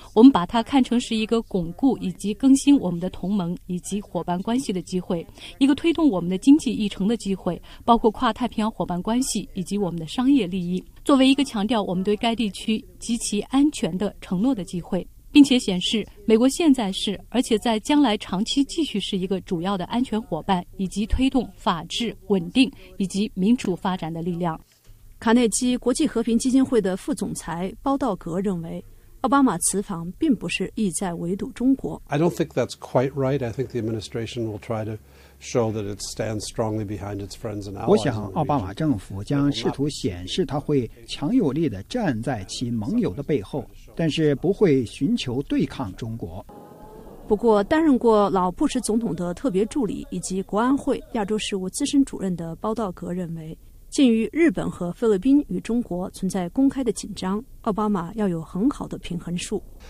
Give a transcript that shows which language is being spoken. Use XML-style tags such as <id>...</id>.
<zh>我们把它看成是一个巩固以及更新我们的同盟以及伙伴关系的机会，一个推动我们的经济议程的机会，包括跨太平洋伙伴关系以及我们的商业利益，作为一个强调我们对该地区及其安全的承诺的机会，并且显示美国现在是而且在将来长期继续是一个主要的安全伙伴，以及推动法治稳定以及民主发展的力量。卡内基国际和平基金会的副总裁包道格认为，奥巴马此访并不是意在围堵中国。</zh> <en>I don't think that's quite right. I think the administration will try to show that it stands strongly behind its friends and allies.</en> <zh>我想奥巴马政府将试图显示他会强有力地站在其盟友的背后，但是不会寻求对抗中国。不过担任过老布什总统的特别助理以及国安会亚洲事务资深主任的包道格认为，鉴于日本和菲律宾与中国存在公开的紧张，奥巴马要有很好的平衡术。</zh>